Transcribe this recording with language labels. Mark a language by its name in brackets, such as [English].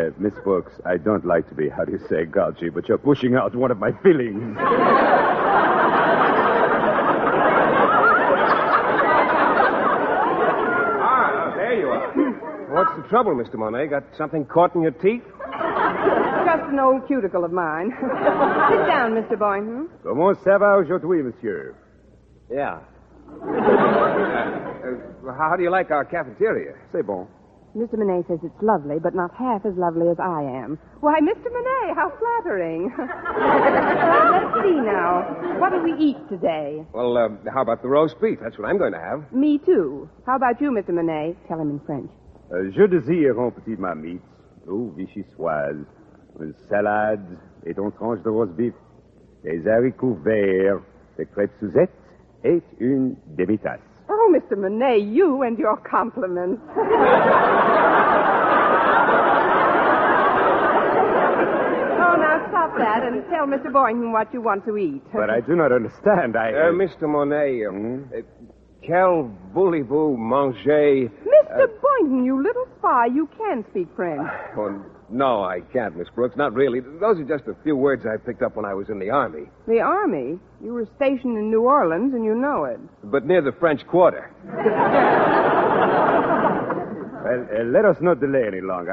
[English] Miss Brooks, I don't like to be, how do you say, gouty, but you're pushing out one of my feelings. What's the trouble, Mr. Monet? Got something caught in your teeth? Just an old cuticle of mine. Sit down, Mr. Boynton. [French] Comment ça va aujourd'hui, monsieur? [English] Yeah. How do you like our cafeteria? [French] C'est bon. [English] Mr. Monet says it's lovely, but not half as lovely as I am. Why, Mr. Monet, how flattering. Let's see now. What do we eat today? Well, how about the roast beef? That's what I'm going to have. Me too. How about you, Mr. Monet? Tell him in French. [French] Je désire un petit marmite, ou vichyssoise, une salade, et une tranche de roast beef, des haricots verts, des crêpes Suzette, et une débitasse. [English] Oh, Mr. Manet, you and your compliments. That and tell Mr. Boynton what you want to eat. But I do not understand. Mr. [French] Monet, quel voulez-vous manger? [English] Mr. Boynton, you little spy, you can speak French. Well, no, I can't, Miss Brooks. Not really. Those are just a few words I picked up when I was in the Army. The Army? You were stationed in New Orleans, and you know it. But near the French Quarter. Well, let us not delay any longer.